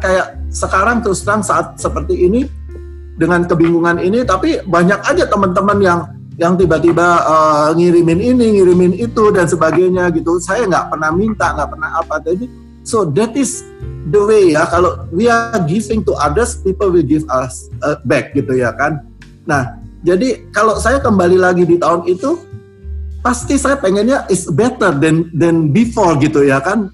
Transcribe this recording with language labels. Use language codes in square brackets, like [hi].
[id] Kayak sekarang terus terang saat seperti ini dengan kebingungan ini, tapi banyak aja teman-teman yang tiba-tiba ngirimin ini, ngirimin itu dan sebagainya gitu. Saya nggak pernah minta, nggak pernah apa. [en] Jadi so that is the way, ya, kalau we are giving to others, people will give us back [id] gitu, ya kan. Nah, jadi kalau saya kembali lagi di tahun itu, pasti saya pengennya [en] is better than before [id] gitu, ya kan.